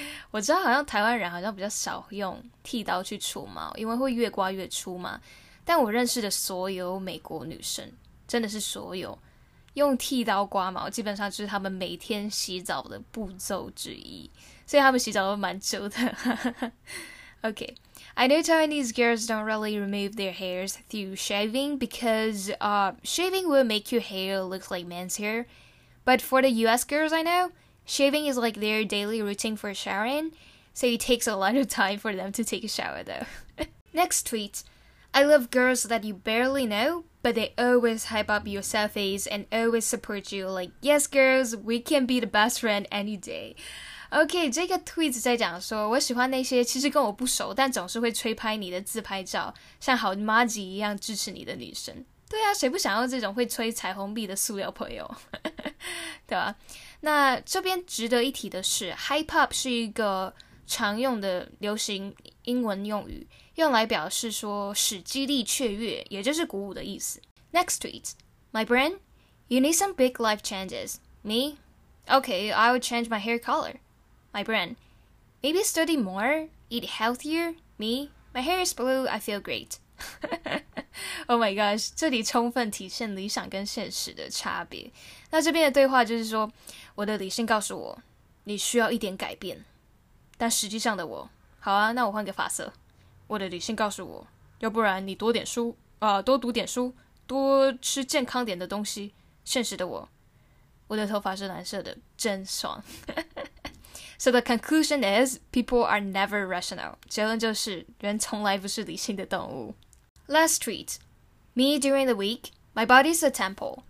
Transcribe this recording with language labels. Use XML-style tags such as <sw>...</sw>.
<zh>我知道好像台湾人好像比较少用剃刀去除毛，因为会越刮越粗嘛。但我认识的所有美国女生，真的是所有，用剃刀刮毛基本上就是他们每天洗澡的步骤之一。所以他们洗澡都蛮久的。</zh> <en>Okay, I know Taiwanese girls don't really remove their hairs through shaving because shaving will make your hair look like man's hair. But for the US girls I know, shaving is like their daily routine for showering, so it takes a lot of time for them to take a shower though. Next tweet, I love girls that you barely know, but they always hype up your selfies and always support you like, yes girls, we can be the best friend any day.</en> <zh>OK, 这个 tweet 在讲说，我喜欢那些其实跟我不熟但总是会吹拍你的自拍照，像好妈吉一样支持你的女生。对啊，谁不想要这种会吹彩虹屁的塑料朋友？对吧？那这边值得一提的是， hype up 是一个常用的流行英文用语，用来表示说使激励雀跃，也就是鼓舞的意思。</zh> <en>Next tweet. My brand, you need some big life changes. Me? Okay, I would change my hair color. My brand, maybe study more, eat healthier. Me? My hair is blue, I feel great. Oh my gosh,</en> <zh>这里充分体现理想跟现实的差别。那这边的对话就是说，我的理性告诉我，你需要一点改变。但实际上的我，好啊，那我换个发色。我的理性告诉我，要不然你多点书，多读点书，多吃健康点的东西。现实的我，我的头发是蓝色的，真爽。</zh> <en>So the conclusion is, people are never rational.</en> <zh>结论就是，人从来不是理性的动物。</zh> <en>Last tweet. Me during the week, my body is a temple.</en>